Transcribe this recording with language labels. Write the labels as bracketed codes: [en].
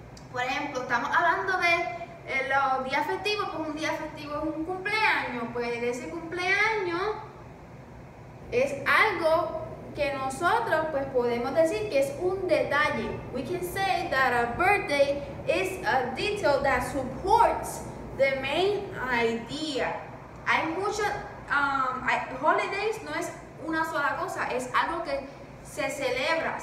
[es] Por ejemplo, estamos hablando de los días festivos, pues un día festivo es un cumpleaños. Pues ese cumpleaños es algo que nosotros pues podemos decir que es un detalle. [en] We can say that a birthday is a detail that supports the main idea. Hay muchos [es] holidays no es una sola cosa, es algo que se celebra.